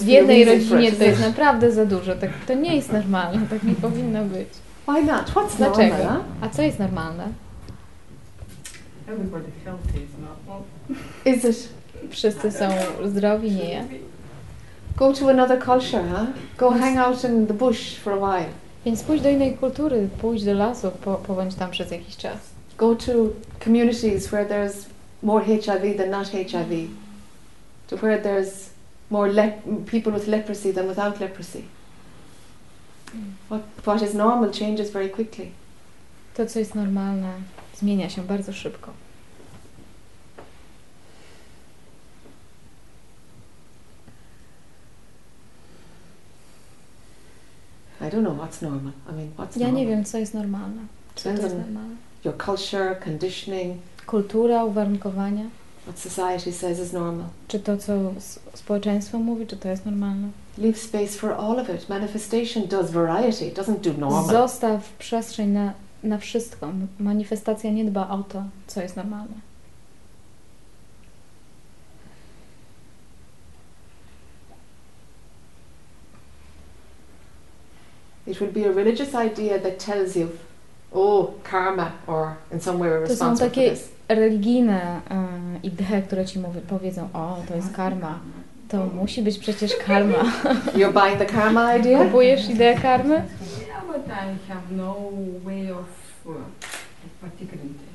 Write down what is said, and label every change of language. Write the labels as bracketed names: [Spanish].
[Polish] w jednej rodzinie to jest naprawdę za dużo. Tak, to nie jest normalne, tak nie powinno być. [English] Why not? What's [Polish] dlaczego? [English] Normal, huh? [Polish] A co jest normalne? [English] Everybody healthy is normal. [Polish] Wszyscy są zdrowi, nie ja? [English] Go to another culture, huh? Go hang out in the bush for a while. [Polish] Więc pójdź do innej kultury, pójdź do lasu, pobądź tam przez jakiś czas. [English] Go to communities where there's more HIV than not HIV. To where there's more people with leprosy than without leprosy. What is normal changes very quickly. [Polish] To, co jest normalne, zmienia się bardzo szybko. [English] I don't know what's normal. I mean, what's normal? [Polish] Ja nie wiem, co jest normalne. [English] Your culture, conditioning. [Polish] Kultura, uwarunkowania. [English] What society says is normal. [Polish] Czy to, co społeczeństwo mówi, czy to jest normalne? [English] Leave space for all of it. Manifestation does variety. It doesn't do normal. [Polish] Zostaw przestrzeń na wszystko. Manifestacja nie dba o to, co jest normalne. [English] It will be a religious idea that tells you, oh, karma, or in some way we're responsible for this. [Polish] To są takie religijne idee, które ci mówią, powiedzą, o, to jest karma. To musi być przecież karma. [English] You're buying the karma idea? [Polish] Kupujesz ideę karmy? [English] Yeah, but I have no way of particularly.